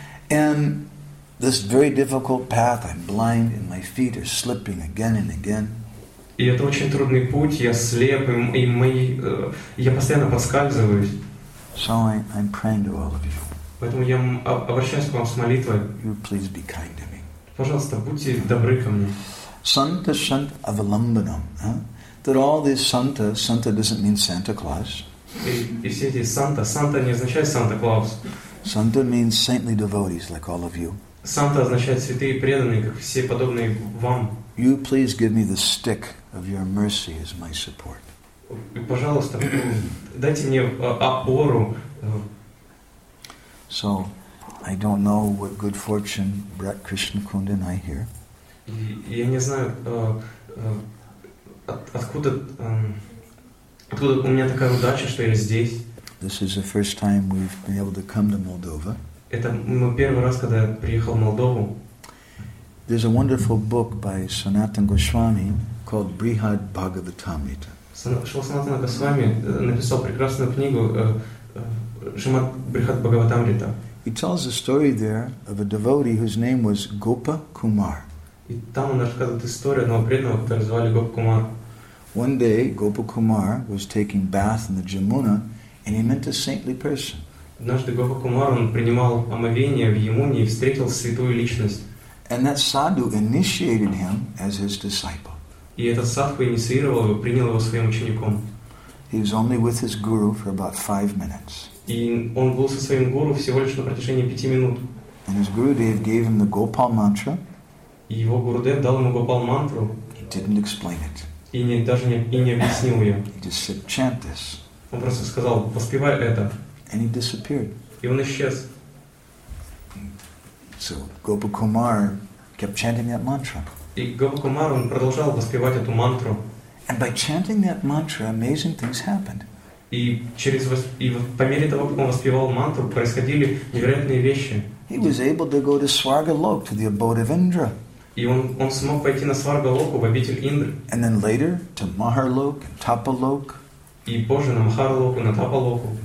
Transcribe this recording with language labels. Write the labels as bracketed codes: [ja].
[en] And this very difficult path, I'm blind and my feet are slipping again and again. [ru] И это очень трудный путь, я слеп, и я постоянно поскальзываюсь. [en] So I'm praying to all of you. [ru] Поэтому я обращаюсь к вам с молитвой. [en] You please be kind to me. [ru] Пожалуйста, будьте добры ко мне. [sa] Santa Shant Avalambanam. [en] That all these Santa doesn't mean Santa Claus. [ru] И все эти Santa не означает Santa Claus. [en] Santa means saintly devotees, like all of you. [ru] Santa означает святые преданные, как все подобные вам. [en] You please give me the stick of your mercy as my support. [ru] Пожалуйста, дайте мне опору. [en] So, I don't know what good fortune brought Krishna Kunda and I here. [ru] Я не знаю, откуда у меня такая удача, что я здесь. [en] This is the first time we've been able to come to Moldova. [ru] Это мой первый раз, когда я приехал в Молдову. [en] There's a wonderful book by Sanatan Goswami called Brihad Bhagavatamrita. [ru] Sanatan Goswami написал прекрасную книгу Шримад Брихад Бхагаватамрита. [en] He tells a story there of a devotee whose name was Gopa Kumar. [ru] И там он рассказывает историю одного преданного, которого звали Гопа Кумар. [en] One day Gopa Kumar was taking bath in the Jamuna and he met a saintly person. [ru] Однажды Гопа Кумар принимал омовение в Ямуне и встретил святую личность. [en] And that sadhu initiated him as his disciple. [ru] И этот садху инициировал его, принял его своим учеником. [en] He was only with his guru for about 5 minutes. [ru] И он был со своим гуру всего лишь на протяжении 5 минут. [en] And his gurudev gave him the Gopal mantra. [ru] И его гурудев дал ему Гопал мантру. [en] He didn't explain it. [ru] И не объяснил ее. [en] He just said, "Chant this." [ru] Он просто сказал, воспевай это. [en] And he disappeared. [ru] И он исчез. [en] So Gopa Kumar kept chanting that mantra. [ru] И Гопа Кумар продолжал воспевать эту мантру. [en] And by chanting that mantra, amazing things happened. [ru] И по мере того, как он воспевал мантру, происходили невероятные вещи. [en] He was able to go to Swargalok, to the abode of Indra. [ru] И он смог пойти на Сваргалоку, в обитель Индры. [en] And then later to Maharlok and Tapalok. [ru] И позже на Махарлоку, на Тапалоку.